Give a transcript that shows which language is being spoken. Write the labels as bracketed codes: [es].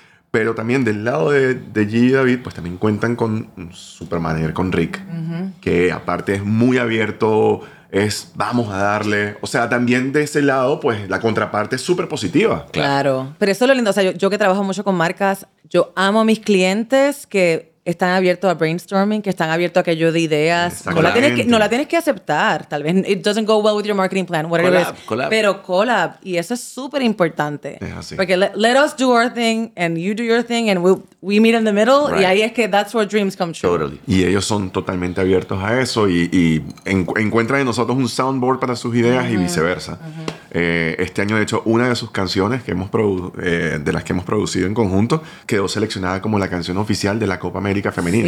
[es] Pero también del lado de Gigi y David, pues también cuentan con un super manager, con Rick, que aparte es muy abierto, es vamos a darle. O sea, también de ese lado, pues la contraparte es súper positiva. Claro. Pero eso es lo lindo. O sea, yo que trabajo mucho con marcas, yo amo a mis clientes que están abiertos a brainstorming, que están abiertos a que yo dé ideas. No la tienes que aceptar. Tal vez [en] it doesn't go well with your marketing plan, whatever collab, it is. Collab. [es] Pero collab. Y eso es súper importante. Es así. [en] Porque let us do our thing and you do your thing and we meet in the middle. Right. [es] Y ahí es que [en] that's where dreams come true. Totally. [es] Y ellos son totalmente abiertos a eso y encuentran en nosotros un soundboard para sus ideas y viceversa. Este año, de hecho, una de sus canciones que hemos de las que hemos producido en conjunto quedó seleccionada como la canción oficial de la Copa América Femenina.